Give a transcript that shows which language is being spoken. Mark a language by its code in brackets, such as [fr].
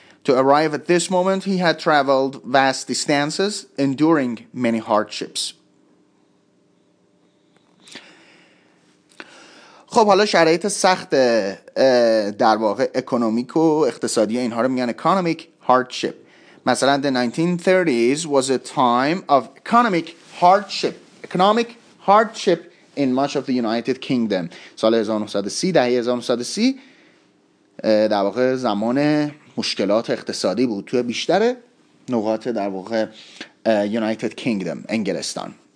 [en] To arrive at this moment he had traveled vast distances enduring many hardships. [fa] خب حالا شرایط سخت در واقع اکونومیک و اقتصادی اینها رو میگن [en] economic hardship. [fa] مثلا [en] the 1930s was a time of economic hardship in much of the United Kingdom. [fa] سال 1930، دهه 1930 در واقع زمان مشکلات اقتصادی بود توی بیشتر نقاط در واقع United Kingdom، انگلستان.